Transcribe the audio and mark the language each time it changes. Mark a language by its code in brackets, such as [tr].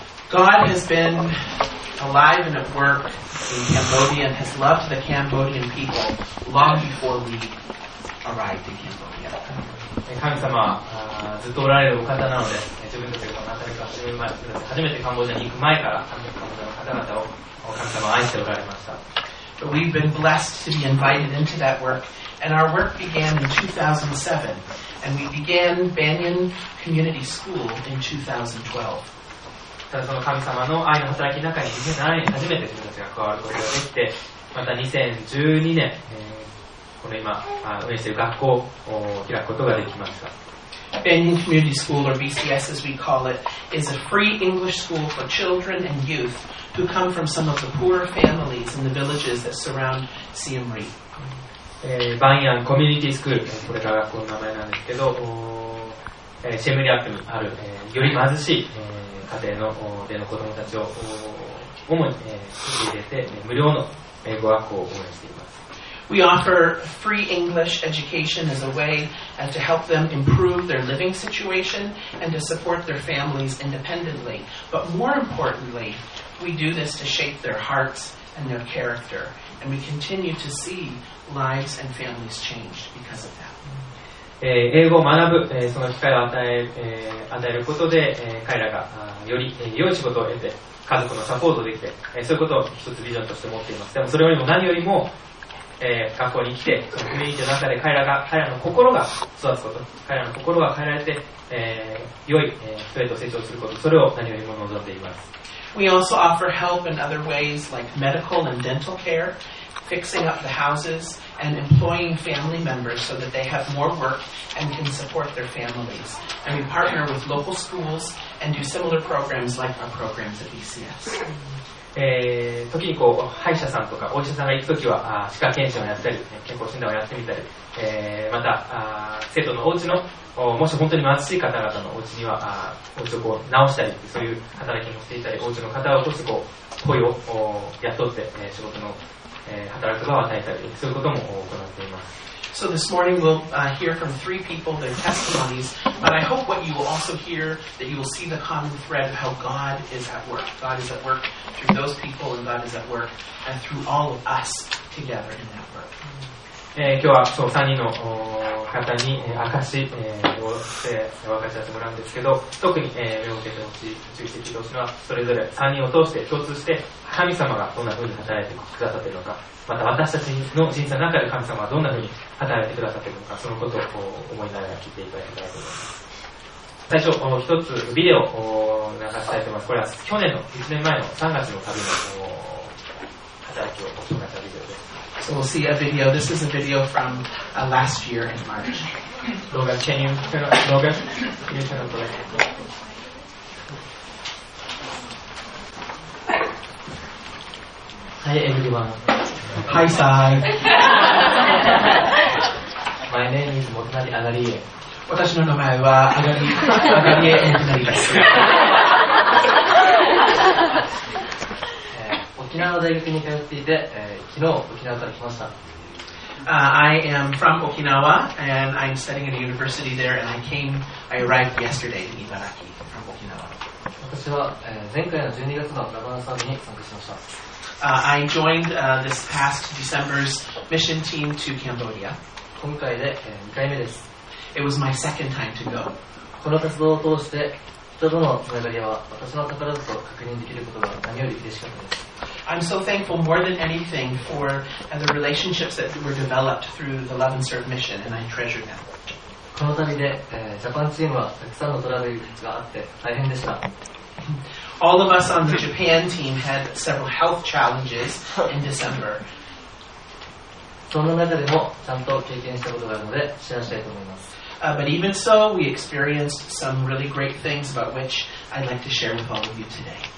[en] God has been alive and at work in Cambodia and has loved the Cambodian people long before we arrived in Cambodia. [ja] 神様はずっとおられるお方なので、自分たちがこの辺りから始める前、初めてカンボジアに行く前から、カンボジアの方々を神様は愛しておられました。 [en] But we've been blessed to be invited into that work, and our work began in 2007, and we began Banyan Community School in 2012. [ja] ただその神様の愛の働きの中に2007年に初めて自分たちが加わることができて、また2012年、この今、運営している学校を開くことができました。 [en] Banyan Community School, or BCS as we call it, is a free English school for children and youth who come from some of the poorer families in the villages that surround Siem Reap. [ja] Banyan Community School, これが学校の名前なんですけど、Siem Reap にある、より貧しい、家庭の、での子どもたちを主に、受け入れて、無料の英語学校を応援しています。 [en] We offer free English education as a way to help them improve their living situation and to support their families independently. But more importantly, we do this to shape their hearts and their character. And we continue to see lives and families changed because of that. [ja] 英語を学ぶ、その機会を与えることで、彼らが、より、良い仕事を得て、家族のサポートをできて、そういうことを一つビジョンとして持っています。でもそれよりも何よりも、学校に来て、そのコミュニティの中で彼らの心が育つこと、彼らの心が変えられて、良い、人へと成長すること、それを何よりも望んでいます。 [en] We also offer help in other ways like medical and dental care, fixing up the houses, and employing family members so that they have more work and can support their families. And we partner with local schools and do similar programs like our programs at BCS. [ja] 時にこう歯医者さんとかお医者さんが行くときは歯科検診をやったり健康診断をやってみたり、また生徒のお家のもし本当に貧しい方々のお家にはお家をこう直したりそういう働きもしていたりお家の方を通してこう雇用を雇って仕事の働く場を与えたりそういうことも行っています。 [en] So this morning we'll hear from three people their testimonies, but I hope what you will also hear that you will see the common thread of how God is at work. God is at work through those people and God is at work and through all of us together in that work. [ja] 今日はそう3人の方に証しをして分かち合ってもらうんですけど、特に目を向けてほしい、注意してほしいのは、それぞれ3人を通して共通して、神様がどんな風に働いてくださっているのか、また私たちの人生の中で神様はどんな風に働いてくださっているのか、そのことを思いながら聞いていただきたいと思います。最初、1つビデオを流したいと思います。これは去年の1年前の3月の旅の働きを紹介したビデオです。 [en] So we'll see a video. This is a video from last year in March. Logan, can you turn up? Logan, can you turn up the light? Hi, everyone. Hi, Sai. My name is Motonari Agarie. [ja] 私の名前は Agarie Motonari です。沖縄大学に通っていて、昨日沖縄から来ました。 [en] I am from Okinawa and I'm studying at a university there and I arrived yesterday in Ibaraki from Okinawa. [ja] 私は、前回の12月のラバナサービに参加しました。 [en] I joined this past December's mission team to Cambodia. [ja] 今回で、2回目です。 [en] It was my second time to go. [ja] この活動を通して人とのつながりは私の宝だと確認できることが何より嬉しかったです。 [en] I'm so thankful more than anything for the relationships that were developed through the Love and Serve mission, and I treasure them. [ja] この旅で、Japan team はたくさんのトラブルがあって大変でした。 [en] All of us on the Japan team had several health challenges in December. [ja] そんな中でもちゃんと経験したことがあるので、シェアしたいと思います。 [en] But even so, we experienced some really great things about which I'd like to share with all of you today.